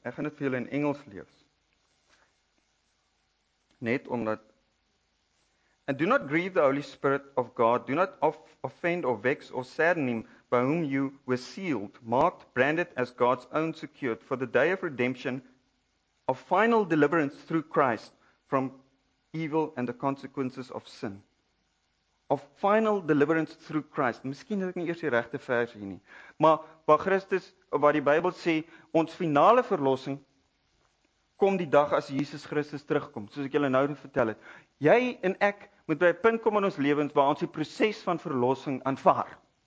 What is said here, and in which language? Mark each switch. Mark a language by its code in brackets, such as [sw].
[af] Ek gaan dit vir julle in Engels lees. Net omdat [en] And do not grieve the Holy Spirit of God. Do not offend or vex or sadden him by whom you were sealed, marked, branded as God's own, secured for the day of redemption, of final deliverance through Christ from evil and the consequences of sin. Of final deliverance through Christ. [af] Miskien het ek nie eers die regte vers hier nie. Maar waar Christus, waar die Bybel sê, ons finale verlossing kom die dag as Jesus Christus terugkom, soos ek julle nou vertel het. Jy en ek moet by 'n punt kom in ons lewens waar ons die proses van verlossing aanvaar.